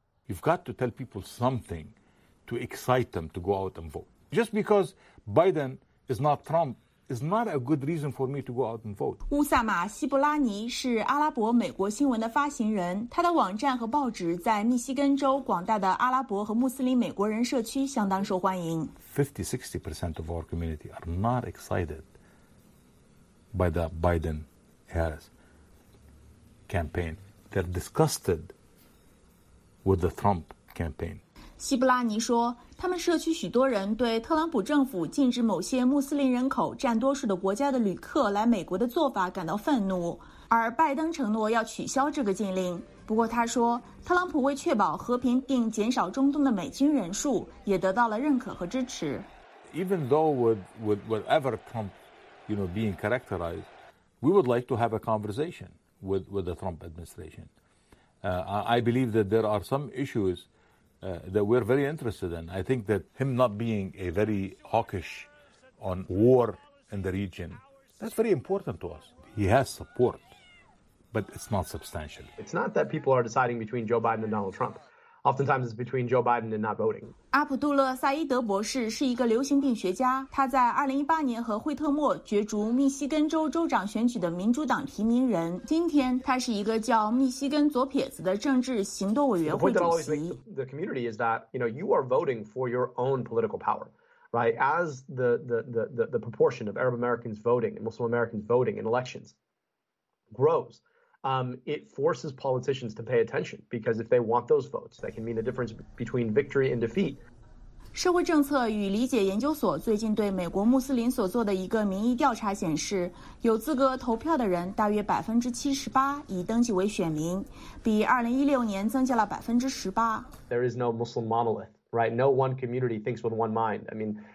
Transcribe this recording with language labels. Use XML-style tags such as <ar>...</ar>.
<en>You've got to tell people something to excite them to go out and vote. Just because Biden is not Trump is not a good reason for me to go out and vote.</en> <zh>乌萨马·希布拉尼是阿拉伯美国新闻的发行人，他的网站和报纸在密西根州广大的阿拉伯和穆斯林美国人社区相当受欢迎。</zh> <en>50-60% of our community are not excited. By the Biden-Harris campaign. They're disgusted with the Trump campaign.</en> <zh>希布拉尼说，他们社区许多人对特朗普政府禁止某些穆斯林人口占多数的国家的旅客来美国的做法感到愤怒，而拜登承诺要取消这个禁令。不过他说，特朗普为确保和平并减少中东的美军人数也得到了认可和支持。</zh> <en>Even though with whatever TrumpYou know, being characterized, we would like to have a conversation with the Trump administration. I believe that there are some issues that we're very interested in. I think that him not being a very hawkish on war in the region, that's very important to us. He has support, but it's not substantial. It's not that people are deciding between Joe Biden and Donald Trump. Oftentimes it's between Joe Biden and not voting.</en> <zh>阿卜杜勒·萨伊德博士是一个流行病学家，他在2018年和惠特莫角逐密西根州州长选举的民主党提名人。今天，他是一个叫“密西根左撇子”的政治行动委员会主席。</zh> <en>The community is that you know you are voting for your own political power, right? As the proportion of Arab Americans voting and Muslim Americans voting in elections grows. It forces politicians to pay attention because if they want those votes, that can mean the difference between victory and defeat.</en> <zh>社会政策与理解研究所最近对美国穆斯林所做的一个民意调查显示，有资格投票的人大约78%已登记为选民，比2016年增加了18%。</zh> <en>There is no Muslim monolith, right? No one community thinks with one mind. I mean.</en>